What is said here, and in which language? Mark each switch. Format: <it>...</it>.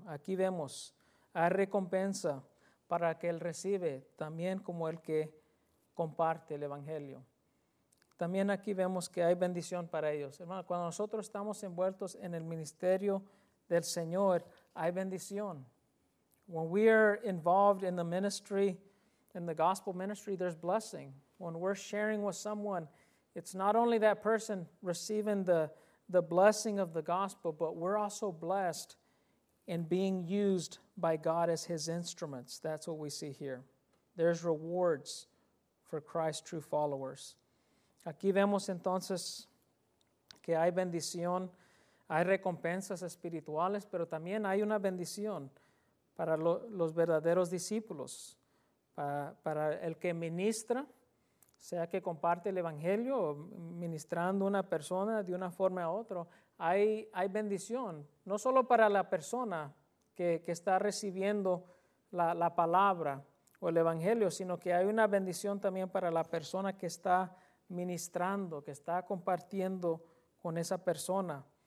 <es>Aquí vemos, hay recompensa para el que recibe, también como el que comparte el Evangelio. también aquí vemos que hay bendición para ellos. Hermano, cuando nosotros estamos envueltos en el ministerio del Señor, hay bendición.</es> <en>When we are involved in the ministry, in the gospel ministry, there's blessing. When we're sharing with someone, it's not only that person receiving the blessing of the gospel, but we're also blessed in being used by God as His instruments. That's what we see here. There's rewards for Christ's true followers.</en> <es>Aquí vemos entonces que hay bendición, hay recompensas espirituales, pero también hay una bendición para los verdaderos discípulos, para el que ministra, sea que comparte el evangelio o ministrando una persona de una forma a otra, hay bendición, no solo para la persona que está recibiendo la palabra o el evangelio, sino que hay una bendición también para la persona que está ministrando, que está compartiendo con esa persona.</es>